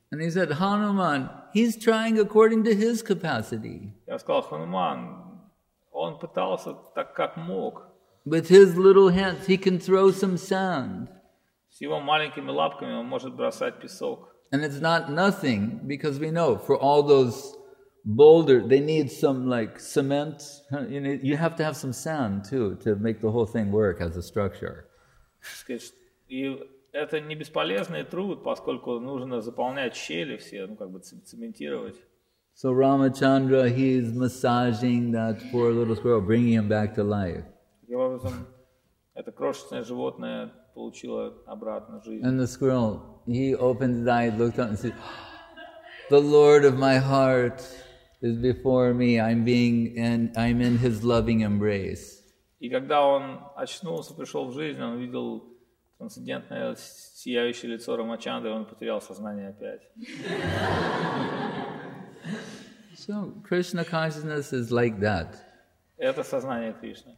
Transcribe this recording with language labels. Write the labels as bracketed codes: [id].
[en] And he said, Hanuman, he's trying according to his capacity. [ru] Я сказал, Хануман, он пытался так, как мог. [en] With his little hands, he can throw some sand. [ru] С его маленькими лапками он может бросать песок. [en] And it's not nothing, because we know, for all those boulder, they need some like cement. You have to have some sand too to make the whole thing work as a structure. [ru] И это не бесполезный труд, поскольку нужно заполнять щели все, ну как бы цементировать. [en] So Ramachandra, he's massaging that poor little squirrel, bringing him back to life. [ru] Таким образом, это крошечное животное получило обратно жизнь. [en] And the squirrel, he opened his eyes, looked up, and said, "The Lord of my heart is before me. I'm in his loving embrace." [ru] И когда он очнулся, пришел в жизнь, он увидел трансцендентное сияющее лицо Рамачандры, он потерял сознание опять. [en] So Krishna consciousness is like that. [ru] Это сознание Кришны.